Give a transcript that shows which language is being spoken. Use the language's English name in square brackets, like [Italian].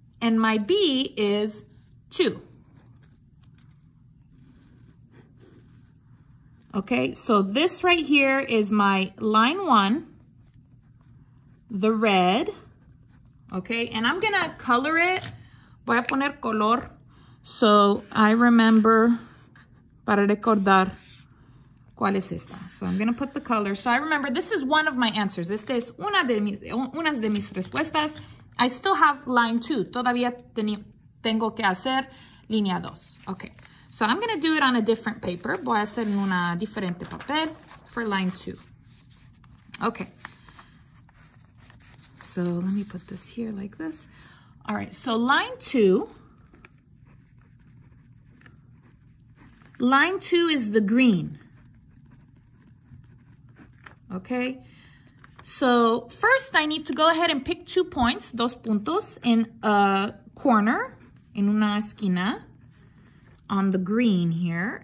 [English] And my B is 2. Okay, so this right here is my line one, the red, okay? And I'm gonna color it. [Spanish] Voy a poner color. [English] So I remember, [Spanish] para recordar, ¿cuál es esta? [English] So I'm gonna put the color. So I remember this is one of my answers. [Spanish] Esta es una de mis, unas de mis respuestas. [English] I still have line two. [Spanish] Todavía tengo que hacer línea dos. [English] Okay, so I'm gonna do it on a different paper. [Spanish] Voy a hacer en una diferente papel [English] for line two. Okay. So let me put this here like this. All right, so line two is the green. Okay, so first I need to go ahead and pick two points, [Spanish] dos puntos, [English] in a corner, in [Spanish] una esquina, [English] on the green here.